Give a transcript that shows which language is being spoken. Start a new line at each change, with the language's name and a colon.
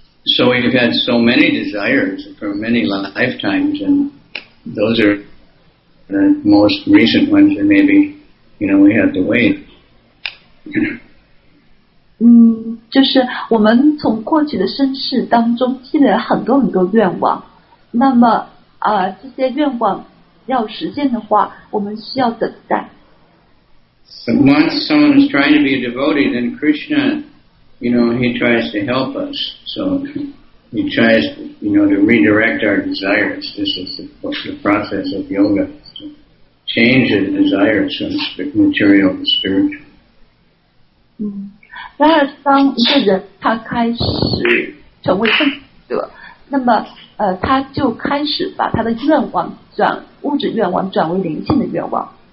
English: So we've had so many desires for many lifetimes, and those are the most recent ones, and maybe, you know, we have to wait.
Chinese: 就是我们从过去的生世当中积累了很多很多愿望，那么这些愿望要实现的话，我们需要等待。
English: But once someone is trying to be a devotee, then Krishna, you know, he tries to help us. So he tries, you know, to redirect our desires. This is the process of yoga, to change the desires from material to spiritual.
Chinese: 然而当一个人他开始成为圣者，那么他就开始把他的愿望转物质愿望转为灵性的愿望。